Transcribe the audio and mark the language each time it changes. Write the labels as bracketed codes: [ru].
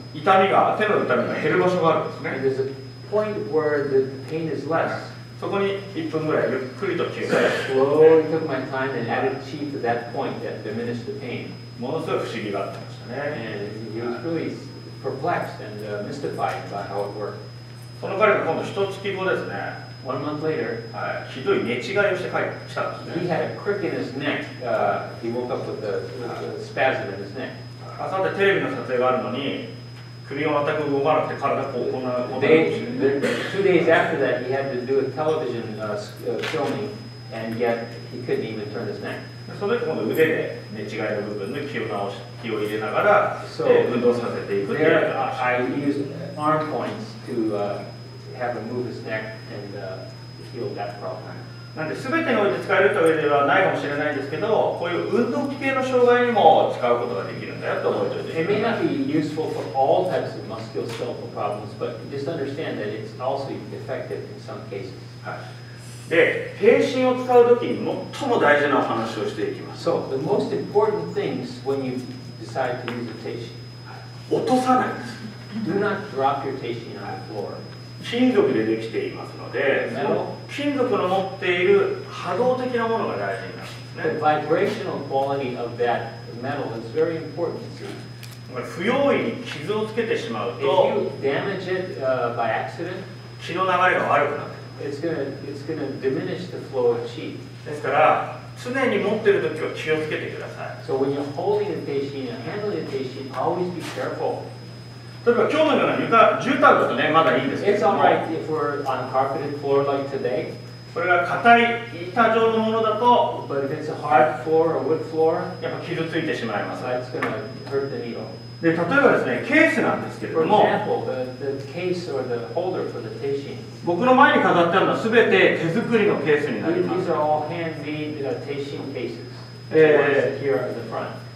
[ja] 痛みが、手の痛みが減る場所があるんですね。 [en] And there's a point where the pain is less. [ja] そこに1分ぐらいゆっくりと消えた。 [en] Slowly took my time and added chi to that point that diminished the pain. [ja] ものすごい不思議があってましたね。 [en] And he was really perplexed and mystified about how it worked. [ja] その彼が今度1月後ですね。 [en] One month later, [ja] ひどい寝違いをして帰ってきたんですね。 [en] He had a crick in his neck. He woke up with a spasm in his neck. [ja] 朝までテレビの撮影があるのに、首が全く動かなくて体がこうこんな [en] 2 days after that he had to do a television filming and yet he couldn't even turn his neck. [ja] その時この腕で寝違いの部分の気を入れながら、so、運動させていくという [en] I used arm points to have him move his neck and heal that problem. [ja] なんで全てにおいて使えるというわけではないかもしれないんですけど、こういう運動器系の障害にも使うことができるんだよと思っておいて。 [en] It may not be useful for all types of musculoskeletal problems, but just understand that it's also effective in some cases. [ja] で、平身を使うときに最も大事なお話をしていきます。 [en] So, the most important things when you decide to use a teishin. [ja] 落とさないです。 [en] Do not drop your teishin on the floor. [ja] 金属でできていますので、その金属の持っている波動的なものが大事になるんですね。 [en] The vibrational quality of that metal is very important. [ja] 不用意に傷をつけてしまうと、 [en] If you damage it, by accident, [ja] 血の流れが悪くなる。 [en] It's gonna diminish the flow of qi. [ja] ですから、常に持っているときは気をつけてください。 [en] So when you're holding a teishin and handling a teishin, always be careful. [ja] 例えば今日のような絨毯だとね、まだいいんですけど、 [en] It's alright if we're on carpeted floor like today. [ja] これが硬い板状のものだと、 [en] But if it's a hard floor or wood floor, [ja] やっぱ傷ついてしまいます。 [en] It's gonna hurt the needle. [ja] で、例えばですね、ケースなんですけれども、 [en] For example, the case or the holder for the teishin. [ja] 僕の前に飾ってあるのは全て手作りのケースになります。 [en] These are all handmade teishin cases. Here at the front.